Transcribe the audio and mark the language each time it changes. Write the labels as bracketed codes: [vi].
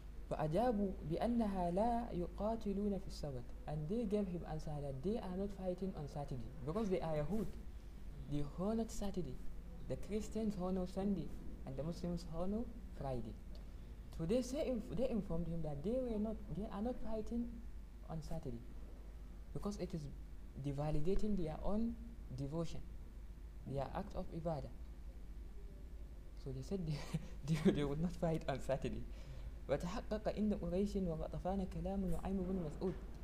[ar] فأجابوا بأنها لا يقاتلون في السبت. [en] And they gave him answer that they are not fighting on Saturday because they are Yahud. They honor Saturday. The Christians honor Sunday and the Muslims honor Friday. So they say they informed him that they are not fighting on Saturday because it is devalidating their own devotion, their act of ibadah. So they said they would not fight on Saturday. [ar] وتحقق عند قريش وغطفان كلام نعيم بن مسعود.